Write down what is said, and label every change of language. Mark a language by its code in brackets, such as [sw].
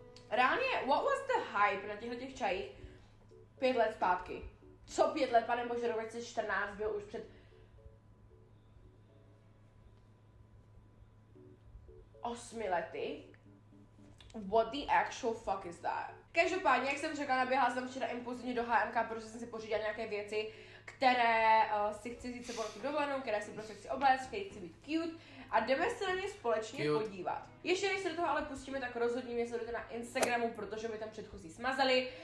[cs] Reálně, [en] what was the hype [cs] na těchto těch čajích pět let zpátky? Co pět let, pane bože, rok 2014 byl už před 8 lety? [en] What the actual fuck is that? [cs] Každopádně, jak jsem řekla, naběhla jsem včera impulzivně do H&M-ka, protože jsem si pořídila nějaké věci, které si chci vzít sebou na tu dovolenou, které si prostě chci obléct, které chci být cute a jdeme se na ně společně [en] cute [cs] podívat. Ještě než se do toho ale pustíme, tak rozhodně mě sledujte na Instagramu, protože mi tam předchozí smazali.